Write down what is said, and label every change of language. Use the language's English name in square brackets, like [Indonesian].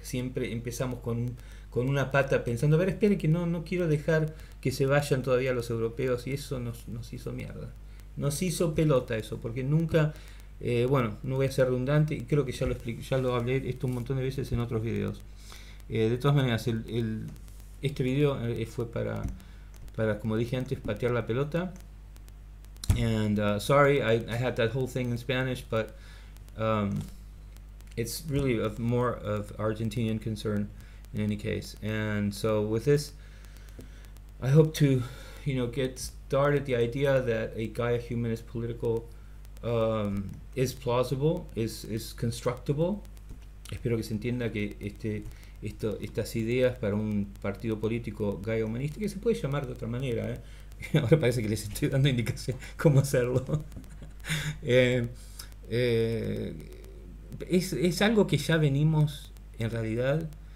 [Spanish] Siempre empezamos con una pata pensando, a ver, espere que no quiero dejar que se vayan todavía los europeos, y eso nos hizo mierda. Nos hizo pelota eso, porque nunca, bueno, no voy a ser redundante, y creo que ya lo expliqué, ya lo hablé esto un montón de veces en otros videos. De todas maneras, este video fue para, como dije antes, patear la pelota. [English] And sorry, I had that whole thing in Spanish, but... it's really of more of Argentinian concern in any case. And so with this, I hope to, you know, get started the idea that a Gaia humanist political is plausible, is constructible. [Spanish] Espero que se entienda que estas ideas para un partido político Gaia humanista, que se puede llamar de otra manera, ¿eh? Ahora parece que les estoy dando indicación cómo hacerlo. Es algo que ya venimos en realidad